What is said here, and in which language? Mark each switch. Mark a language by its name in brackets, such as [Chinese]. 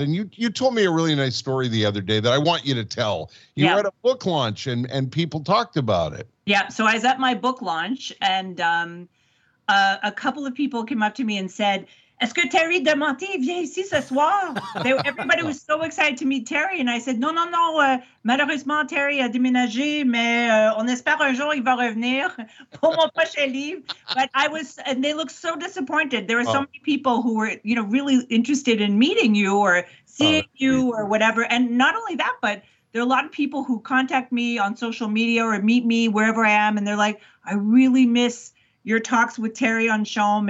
[English] And you told me a really nice story the other day that I want you to tell. You were at a book launch and people talked about it. Yeah. So I was at my book launch and a couple of people came up to me and said, [French] est-ce que Terry DeMonte vient ici ce soir? [English] Everybody was so excited to meet Terry. And I said, [French] non, malheureusement, Terry a déménagé, mais on espère un jour il va revenir pour mon prochain livre. [English] But I was, and they looked so disappointed. There were so many people who were, you know, really interested in meeting you or seeing you or whatever. And not only that, but there are a lot of people who contact me on social media or meet me wherever I am. And they're like, I really miss your talks with Terry on Shom.